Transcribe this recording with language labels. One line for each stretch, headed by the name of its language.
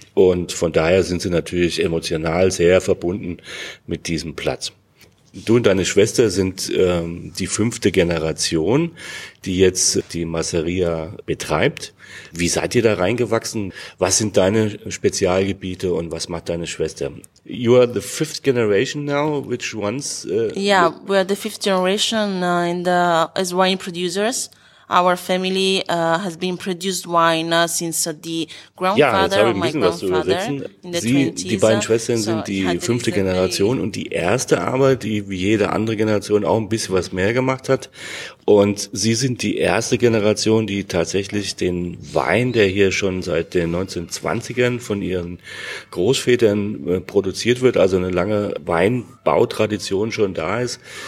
German: Und von daher sind sie natürlich emotional sehr verbunden mit diesem Platz. Du und deine Schwester sind die fünfte Generation, die jetzt die Masseria betreibt. Wie seid ihr da reingewachsen? Was sind deine Spezialgebiete und was macht deine Schwester?
English: You are the fifth generation now, which ones? We are the fifth generation as wine producers. Our family has been produced wine since the grandfather of my grandfather in the 20s.
German: Die beiden Schwestern sind die fünfte Generation und die erste aber, die wie jede andere Generation auch ein bisschen was mehr gemacht hat. Und sie sind die erste Generation, die tatsächlich den Wein, der hier schon seit den 1920ern von ihren Großvätern produziert wird, also eine lange Weinbautradition schon da ist.